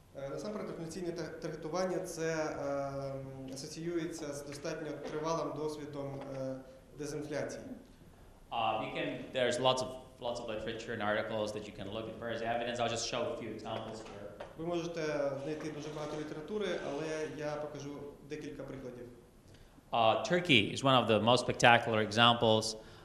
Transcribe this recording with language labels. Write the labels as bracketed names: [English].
[Ukrainian] Насамперед, інфляційне таргетування це асоціюється з достатньо тривалим досвідом дезінфляції. [English] There's lots of literature and articles that you can look at various evidence. I'll just show a few examples here. [Ukrainian] Ви можете знайти дуже багато літератури, але я покажу декілька прикладів. [English] Turkey is one of the most spectacular examples.